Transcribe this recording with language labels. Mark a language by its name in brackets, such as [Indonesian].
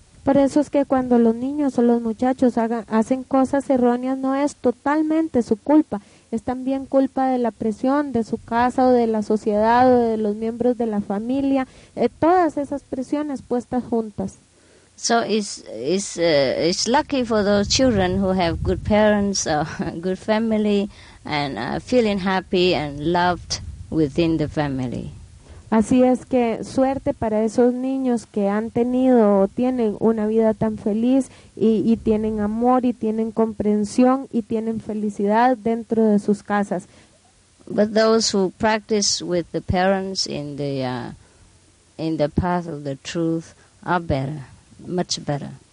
[Spanish] Por eso es que cuando los niños o los muchachos hacen cosas erróneas, no es totalmente su culpa. Es también culpa de la presión de su casa o de la sociedad o de los miembros de la familia. Todas esas presiones puestas juntas. [English] So it's lucky for those children who have good parents, good family, and feeling happy and loved within the family. [Spanish] Así es que suerte para esos niños que han tenido o tienen una vida tan feliz y tienen amor y tienen comprensión y tienen felicidad dentro de sus casas. [English] But those who practice with the parents in the path of the truth are better, much better.